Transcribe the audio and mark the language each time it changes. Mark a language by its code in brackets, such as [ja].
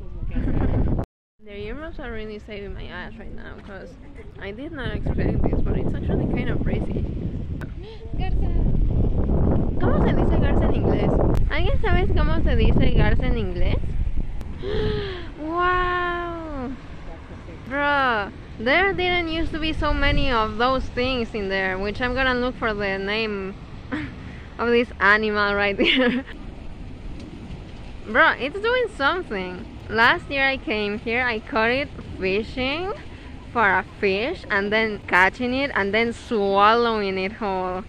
[en] The earmuffs are really saving my ass right now because I did not expect this, but it's actually kind of breezy. [es] Garza. ¿Cómo se dice garza en inglés? ¿Alguien sabe cómo se dice garza en inglés? Wow! [en] Bro, there didn't used to be so many of those things in there, which I'm gonna look for the name of this animal right here. Bro, it's doing something. Last year I came here, I caught it fishing for a fish and then catching it and then swallowing it whole.